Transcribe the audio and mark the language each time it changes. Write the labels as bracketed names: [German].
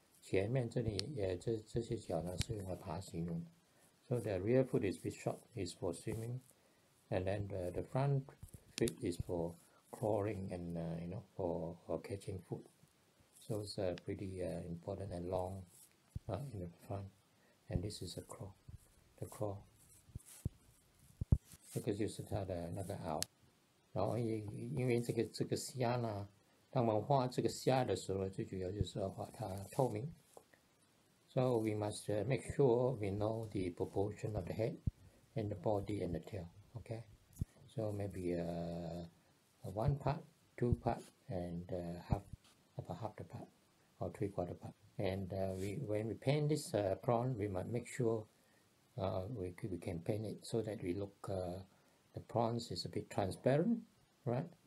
[Chinese] 前面这里也这些脚呢是用来爬行用的。 [English] So the rear foot is a bit short, is for swimming，and then the front feet is for crawling and for catching food. So it's pretty important and long. In the front, and this is a claw. The claw. [Chinese] 这个就是它的那个螯。然后因为这个虾呢，当我们画这个虾的时候，最主要就是要画它透明。 [English] So we must make sure we know the proportion of the head, and the body, and the tail. Okay. So maybe a one part, two part, and half, about half the part, or three quarter part. And when we paint this prawn, we must make sure we can paint it so that we look the prawns is a bit transparent, right?